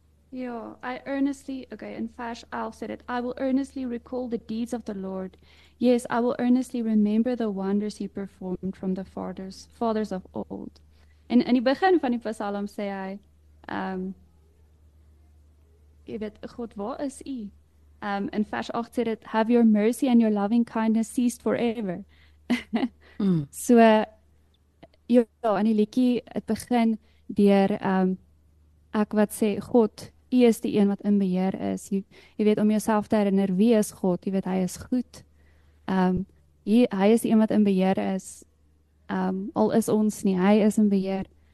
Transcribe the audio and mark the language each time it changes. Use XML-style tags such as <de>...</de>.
<en>Yeah, I earnestly, okay, in vers 11 said it, I will earnestly recall the deeds of the Lord. Yes, I will earnestly remember the wonders he performed from the fathers of old.</en> <af>En in die begin van die psalm sê hy, jy weet, God, waar is u?</af> <en>In vers 8 said it, have your mercy and your loving kindness ceased forever.</en> <af>So, in die liedjie, het begin deur, ek wat sê, God, Jy is die een wat in beheer is. Jy weet, om jouself te herinner, wie is God? Jy weet, hy is goed. Hy is die een wat in beheer is. Al is ons nie, hy is in beheer.</af>